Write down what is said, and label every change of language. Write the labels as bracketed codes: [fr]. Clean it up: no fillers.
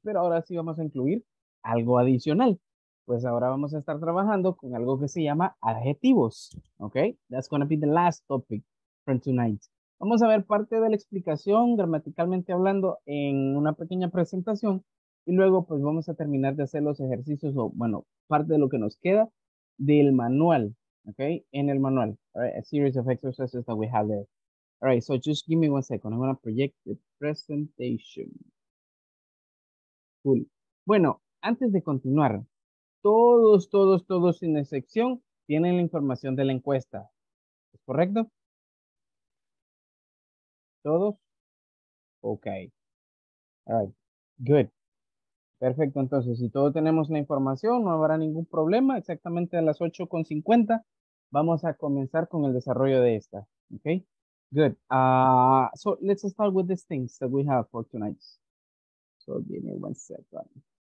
[es] Pero ahora sí vamos a incluir algo adicional. Pues ahora vamos a estar trabajando con algo que se llama adjetivos. [en] Okay, that's going to be the last topic for tonight. [es] Vamos a ver parte de la explicación gramaticalmente hablando en una pequeña presentación. Y luego, pues, vamos a terminar de hacer los ejercicios o, bueno, parte de lo que nos queda del manual, ¿ok? En el manual, [en] all right? A series of exercises that we have there. All right, so just give me 1 second. I'm going to project the presentation. Cool. [es] Bueno, antes de continuar, todos, sin excepción, tienen la información de la encuesta. ¿Es correcto? ¿Todos? Ok. [en] All right, good. [es] Perfecto, entonces, si todos tenemos la información, no habrá ningún problema. Exactamente a las 8:50 vamos a comenzar con el desarrollo de esta. [en] Ok, good. So, let's start with these things that we have for tonight. So, give me 1 second.